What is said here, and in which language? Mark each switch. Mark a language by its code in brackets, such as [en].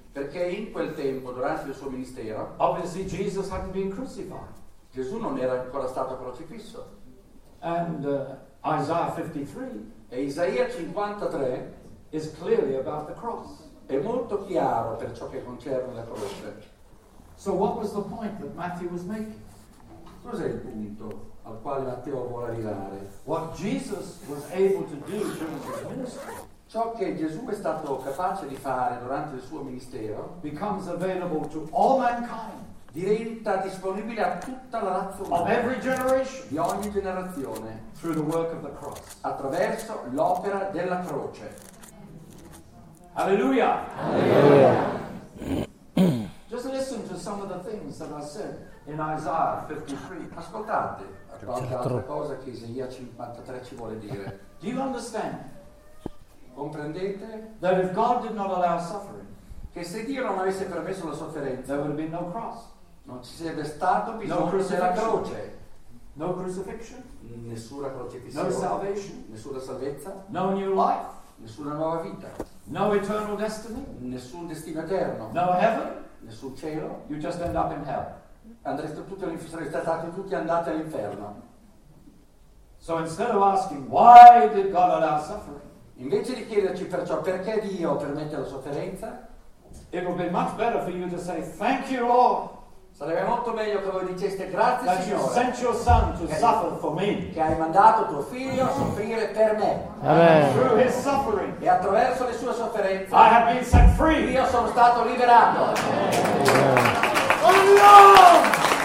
[it] perché in quel tempo durante il suo ministero, [en] obviously Jesus hadn't been crucified. [it] Gesù non era ancora stato crocifisso. [en] And Isaiah 53, [it] e Isaia 53 [en] is clearly about the cross. [it] È molto chiaro per ciò che concerne la croce. [en] So what was the point that Matthew was making? [it] Cos'è il punto al quale Matteo vuole arrivare? [en] What Jesus was able to do during his ministry, [it] ciò che Gesù è stato capace di fare durante il suo ministero, [en] becomes available to all mankind, [it] diventa disponibile a tutta la razza umana, [en] of every generation, [it] di ogni generazione, [en] through the work of the cross, [it] attraverso l'opera della croce. Alleluia! Alleluia! [en] Just listen to some of the things that I said in Isaiah 53. [it] Ascoltate qualche altra cosa che Isaia 53 ci vuole dire. [en] Do you understand? [it] Comprendete? [en] That if God did not allow suffering, [it] che se Dio non avesse permesso la sofferenza, [en] there would have been no cross. [it] Non ci sarebbe stato bisogno della croce. [en] No crucifixion. [it] Nessuna crocifissione. [en] No salvation. [it] Nessuna salvezza. [en] No new life. [it] Nessuna nuova vita. [en] No eternal destiny. [it] Nessun destino eterno. [en] No heaven. [it] Nessun cielo. [en] You just end up in hell. [it] Andreste tutti all'inferno, state tutti andati all'inferno. [en] So instead of asking why did God allow suffering, [it] invece di chiederci perciò perché Dio permette la sofferenza, [en] it would be much better for you to say thank you Lord. [it] Sarebbe molto meglio che voi diceste grazie [en] that [it] Signore. [en] You sent your son to suffer for me. [it] Che hai mandato tuo figlio a soffrire per me. Amen. [en] Through his suffering, [it] e attraverso le sue sofferenze, [en] I have been set free. [it] Io sono stato liberato. [en] Amen. Amen. Oh, no!